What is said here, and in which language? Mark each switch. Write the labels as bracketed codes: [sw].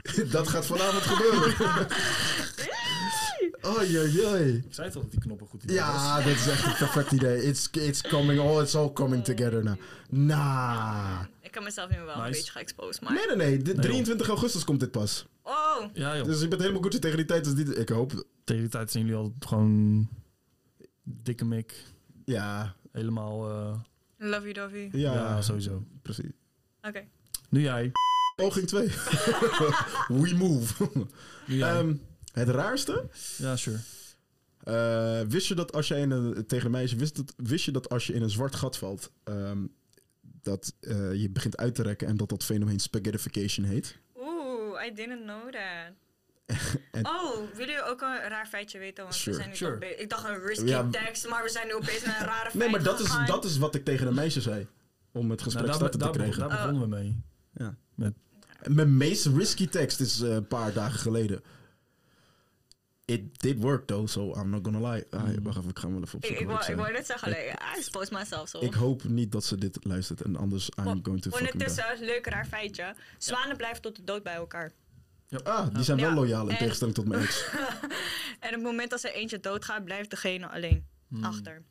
[nl] Dat gaat vanavond gebeuren. Oei, oei, oei. Ik zei toch dat die knoppen goed idee ja, was. Dit is echt een perfect idee. [en] It's coming, oh, it's all coming together now. [nl] Ik kan mezelf nu wel een beetje geëxposed, maar... Nee. 23 augustus komt dit pas. Oh, Oh. Ja, joh. Dus je bent helemaal goed tegen die tijd. Dus niet, ik hoop. Tegen die tijd zijn jullie al gewoon dikke mik. Ja. Helemaal. [en] Love you, dovey. [nl] Ja, ja, sowieso. Precies. Oké. Okay. Nu jij. Poging 2. [en] We move. [nl] Het raarste? Ja, sure. Wist je dat als jij in een, tegen een meisje, wist je dat als je in een zwart gat valt, dat je begint uit te rekken en dat dat fenomeen spaghettification heet? [en] Oeh, I didn't know that. [nl] En, oh, willen jullie ook een raar feitje weten? Want we zijn nu sure. Ik dacht een risky text, maar we zijn nu opeens met een rare feitje. Nee, maar dat is wat ik tegen een meisje zei, om het gesprek starten te krijgen. Daar begonnen we mee. Ja. Mijn meest risky text is een paar dagen geleden. [en] It did work though, so I'm not gonna lie. [nl] Wacht even, ik ga wel even opzoeken. Ik wou net zeggen, [en] I expose myself. So. [nl] Ik hoop niet dat ze dit luistert en anders [en] I'm going to fucking die. [nl] Ondertussen, leuk raar feitje. Zwanen blijven tot de dood bij elkaar. [en] Yep. [nl] Ah, die zijn wel loyaal in tegenstelling tot mijn ex. En op het moment dat ze eentje doodgaat, blijft degene alleen achter.